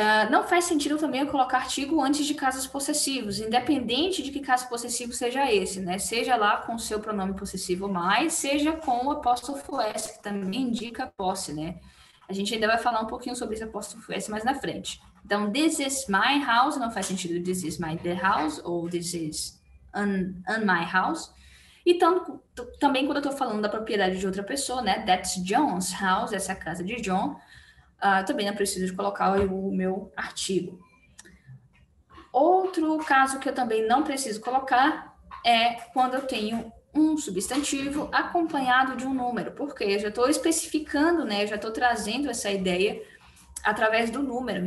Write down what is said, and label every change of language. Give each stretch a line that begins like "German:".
Portuguese: Não faz sentido também eu colocar artigo antes de casos possessivos, independente de que caso possessivo seja esse, né? Seja lá com o seu pronome possessivo mais, seja com o apóstrofo S, que também indica posse, né? A gente ainda vai falar um pouquinho sobre esse apóstrofo S mais na frente. Então,
English: this is my house,
Portuguese: não faz sentido
English: this is my the house, ou this is an my house.
Portuguese: E também quando eu estou falando da propriedade de outra pessoa, né?
English: That's John's house,
Portuguese: essa é a casa de John. Também não preciso de colocar o meu artigo. Outro caso que eu também não preciso colocar é quando eu tenho um substantivo acompanhado de um número, porque eu já estou especificando, né? Eu já estou trazendo essa ideia através do número.